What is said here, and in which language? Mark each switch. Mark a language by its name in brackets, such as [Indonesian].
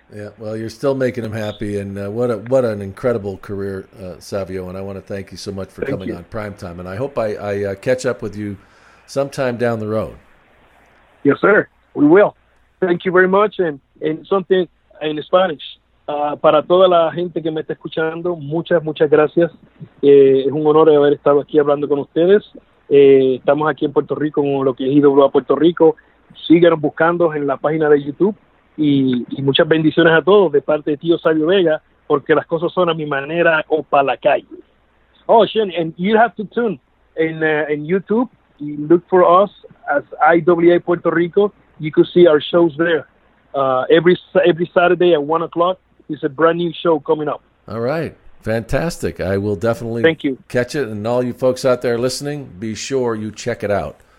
[English] Yeah, well, you're still making him happy, and what an incredible career, Savio, and I want to thank you so much for coming on Primetime, and I hope I catch up with you sometime down the road. Yes, sir, we will. Thank you very much, and something in Spanish. [Spanish] Para toda la gente que me está escuchando, muchas, muchas gracias. Es un honor haber estado aquí hablando con ustedes. Estamos aquí en Puerto Rico, en lo que es IWA Puerto Rico. Síguenos buscando en la página de YouTube. Y muchas bendiciones a todos de parte de Tio Savio Vega, porque las cosas son a mi manera o para la calle. [English] Oh, Shane, and you have to tune in YouTube. You look for us as IWA Puerto Rico. You could see our shows there. Every Saturday at 1:00 is a brand new show coming up. All right. Fantastic. I will definitely catch it. And all you folks out there listening, be sure you check it out.